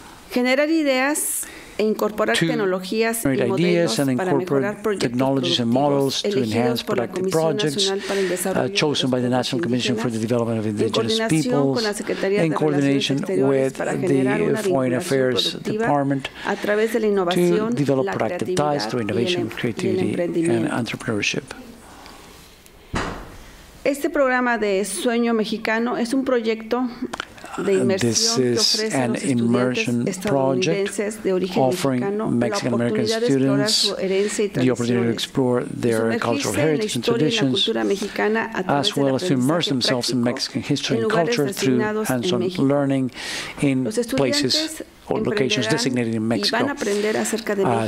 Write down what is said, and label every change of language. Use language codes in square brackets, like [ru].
[es] Generar ideas e incorporar tecnologías y modelos para mejorar proyectos [en] technologies and models to enhance productive projects chosen by the National Commission for the Development of Indigenous Peoples in coordination with the Foreign Affairs Department [es] a través de la innovación, [en] to develop productive ties through innovation, creativity, and entrepreneurship. [es] Este programa de Sueño Mexicano es un proyecto. [en] This is an immersion project offering Mexican-American students the opportunity to explore their cultural heritage and traditions, as well as to immerse themselves in Mexican history and culture through hands-on learning in places or locations designated in Mexico.